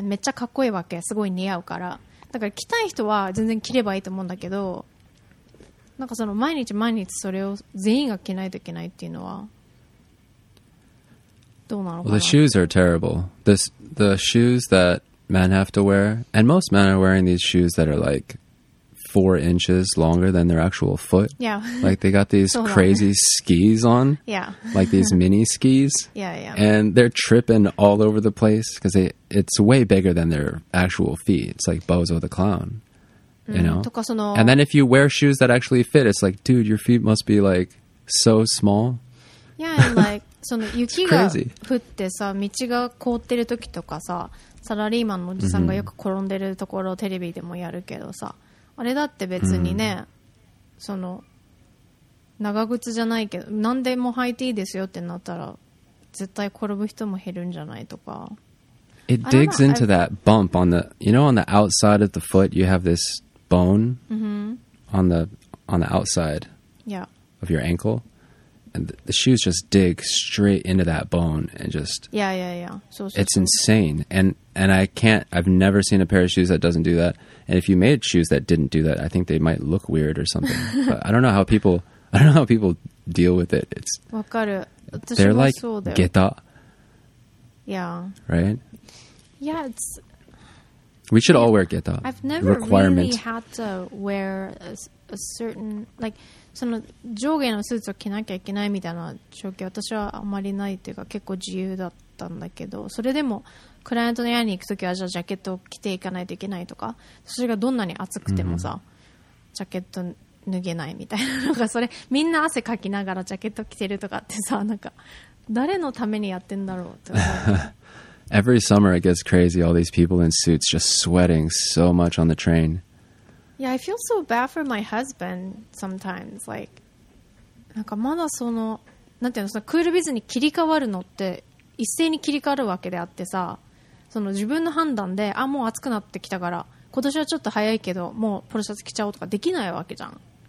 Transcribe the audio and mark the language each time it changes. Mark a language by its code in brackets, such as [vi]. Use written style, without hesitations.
[ja] めっちゃかっこいいわけ。すごい似合うから。だから着たい人は全然着ればいいと思うんだけど、なんかその毎日毎日それを全員が着ないといけないっていうのはどうなのかな。 [en] Well, the shoes are terrible. The shoes that men have to wear, and most men are wearing these shoes that are like 4 inches longer than their actual foot. Yeah. Like they got these crazy skis on. Yeah. Like these mini skis. Yeah, yeah. And they're tripping all over the place because it's way bigger than their actual feet. It's like Bozo the Clown. You know? And then if you wear shoes that actually fit, it's like, dude, your feet must be like so small. [ja] Yeah, and like, その雪が降ってさ、道が凍ってる時とかさ、サラリーマンのおじさんがよく転んでるところをテレビでもやるけどさ、あれだって別にね、その長靴じゃないけど、何でも履いていいですよってなったら、絶対転ぶ人も減るんじゃないとか。 [en] It digs into that bump on the, you know, on the outside of the foot, you have this bone on the outside of your ankle, and the shoes just dig straight into that bone and just it's insane. And I've never seen a pair of shoes that doesn't do that. And if you made shoes that didn't do that, I think they might look weird or something. But I don't know how people deal with it. It's they're like geta. Yeah. Right. Yeah, it's. We should all wear geta. [ja] I've never really had to wear a certain like その上下のスーツを着なきゃいけないみたいな状況、私はあまりないっていうか結構自由だったんだけど、それでもクライアントの家に行くときはじゃあジャケットを着ていかないといけないとか、それがどんなに暑くてもさ、ジャケット脱げないみたいなのが、それみんな汗かきながらジャケット着てるとかってさ、なんか誰のためにやってんだろうって思う。 [en] Every summer it gets crazy, all these people in suits just sweating so much on the train. Yeah, I feel so bad for my husband sometimes. [ja] Like, なんかまだその、なんていうの、そのクールビズに切り替わるのって一斉に切り替わるわけであってさ、その自分の判断で、あ、もう暑くなってきたから、今年はちょっと早いけど、もうポロシャツ着ちゃおうとかできないわけじゃん。